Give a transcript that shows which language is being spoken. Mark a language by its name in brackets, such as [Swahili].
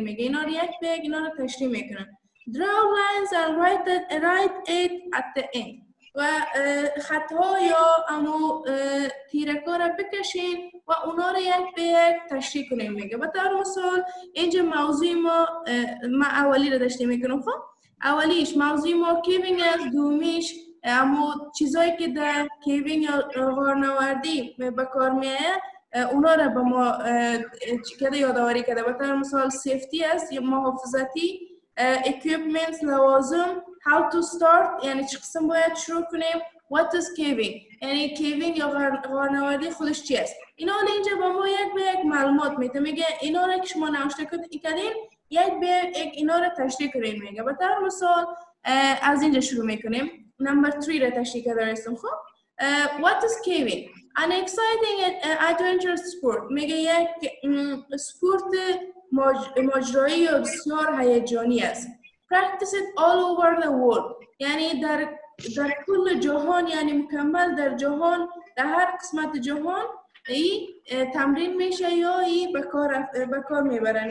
[Persian] میگه اینا رو یک به یک اینا رو تشریح میکنن. [English] Draw lines and write it at the end. [Persian] و خطها یا امو تیرکا رو بکشین و اونا رو یک به یک تشریح کنین. میگه به طور مثال اینجا موضوع ما اولی رو داشتیم میکنم. خب اولیش موضوع ما کیوینگ است، دومیش امو چیزایی که در کیوینگ ورنوردی به کار میایه اونا رو به ما چیکده یادآوری کرده. به طور مثال سیفتی است یا محافظتی، اکویپمنت لوازم، [English] how to start [Persian] یعنی چه قسم باید شروع کنیم، [English] what is caving [Persian] یعنی caving یا غارنوردی خودش چی است. اینا حالا اینجا با ما یک به یک معلومات میده. میگه اینا را که شما نوشته کردین یک به یک اینا را تشریح کنیم. میگه به طور مثال از اینجا شروع میکنیم. نمبر 3 را تشریح کرده رسیم. خب [English] what is caving an exciting adventure sport. [Persian] میگه یک سپورت مجرایی یا بسیار هیجانی است. [English] Practice it all over the world. [Persian] یعنی در کل جهان، یعنی مکمل در جهان، در هر قسمت جهان ای تمرین میشه یا ای بکار میبرن.